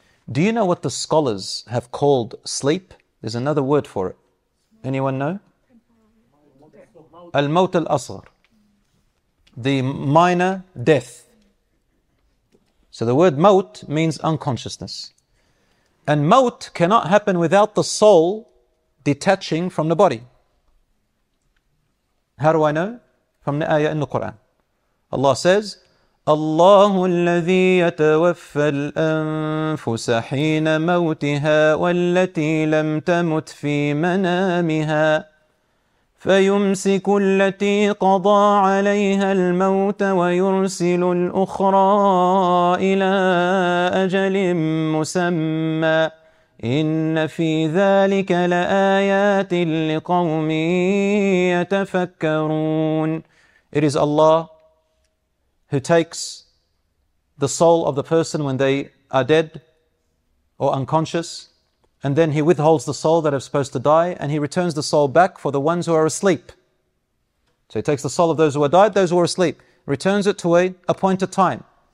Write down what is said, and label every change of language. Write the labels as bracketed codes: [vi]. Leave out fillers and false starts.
[en] Do you know what the scholars have called sleep? There's another word for it. Anyone know? Al-mawt al-asghar. The minor death. So the word mawt means unconsciousness. And mawt cannot happen without the soul detaching from the body. How do I know? From the ayah in the Quran. Allah says, [ar] الله الذي يتوفى الأنفس حين موتها والتي لم تمت في منامها فيمسك التي قضى عليها الموت ويرسل الأخرى إلى أجل مسمى إن في ذلك لآيات لقوم يتفكرون. [en] It is Allah who takes the soul of the person when they are dead or unconscious, and then he withholds the soul that is supposed to die, and he returns the soul back for the ones who are asleep. So he takes the soul of those who are died, those who are asleep, returns it to a appointed time.